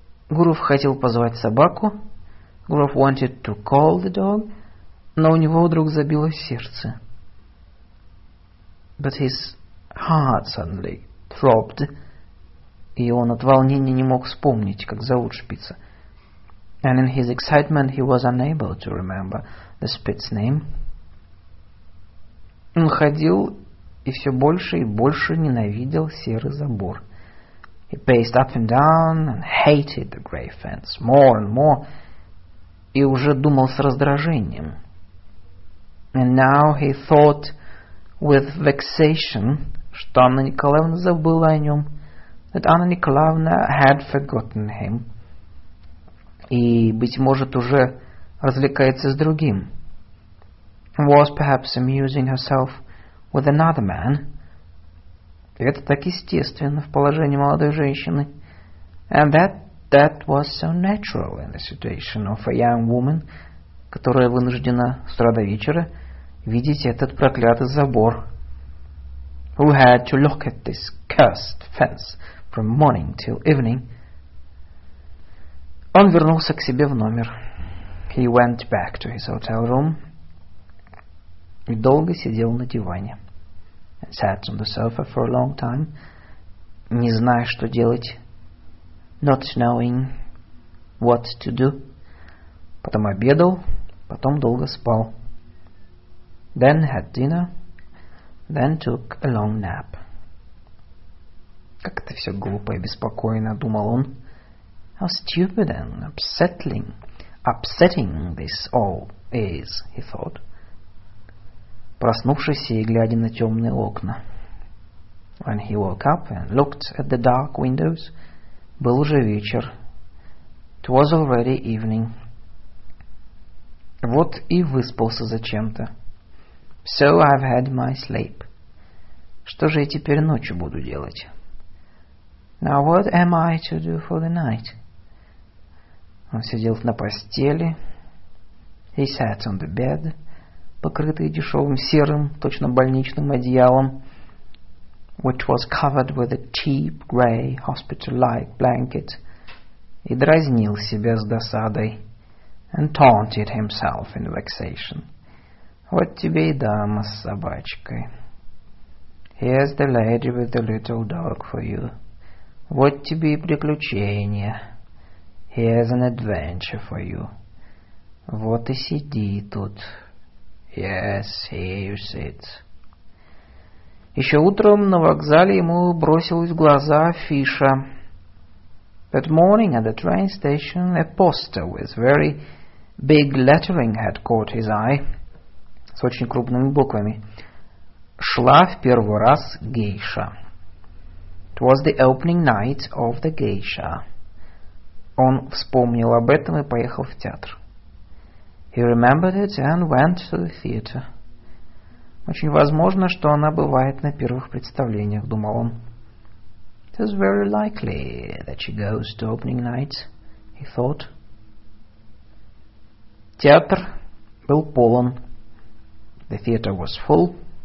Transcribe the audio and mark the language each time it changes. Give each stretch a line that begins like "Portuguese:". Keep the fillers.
Russian: Гуров хотел позвать собаку.
English: Гуров wanted to call the dog.
Russian: Но у него вдруг забилось сердце.
English: But his heart suddenly throbbed.
Russian: И он от волнения не мог вспомнить, как зовут шпица.
English: And in his excitement he was unable to remember the spitz name.
Russian: Он ходил и все больше и больше ненавидел серый забор.
English: He paced up and down and hated the gray fence more and more.
Russian: И уже думал с раздражением.
English: And now he thought with vexation,
Russian: что Анна Николаевна забыла о нем,
English: that Анна Николаевна had forgotten him.
Russian: И, быть может, уже развлекается с другим.
English: — was perhaps amusing herself with another man.
Russian: Это
English: And that, that, was so natural in the situation of a young woman, Who had to look at this cursed fence from morning till evening.
Russian: Он вернулся к себе в номер.
English: He went back to his hotel room
Russian: и долго сидел на диване.
English: And sat on the sofa for a long time,
Russian: не зная, что делать.
English: Not knowing what to do.
Russian: Потом обедал, потом долго спал.
English: Then had dinner, then took a long nap.
Russian: Как это все глупо и беспокойно, думал он.
English: How stupid and upsetting, upsetting this all is, he thought.
Russian: проснувшись и глядя на темные окна.
English: When he woke up and looked at the dark windows,
Russian: был уже вечер.
English: It was already evening.
Russian: Вот и выспался зачем-то.
English: So I've had my sleep.
Russian: Что же я теперь ночью буду делать?
English: Now what am I to do for the night?
Russian: Он сидел на постели.
English: He sat on the bed. He sat on the bed
Russian: покрытые дешевым серым, точно больничным одеялом,
English: which was covered with a cheap grey hospital-like blanket,
Russian: и дразнил себя с досадой,
English: and taunted himself in vexation.
Russian: Вот тебе и дама с собачкой.
English: Here's the lady with the little dog for you.
Russian: Вот тебе и приключение.
English: Here's an adventure for you.
Russian: Вот и сиди тут.
English: Yes, here's it.
Russian: Еще утром на вокзале ему бросилась в глаза афиша.
English: That morning at the train station a poster with very big lettering had caught his eye.
Russian: С очень крупными буквами. Шла в первый раз гейша.
English: It was the opening night of the geisha.
Russian: Он вспомнил об этом и поехал в театр.
English: He remembered it and went to the theater.
Russian: Очень возможно, что она бывает на первых представлениях, думал он.
English: It is very likely that she goes to opening nights, he thought.
Russian: Театр был полон.
English: The theater was full.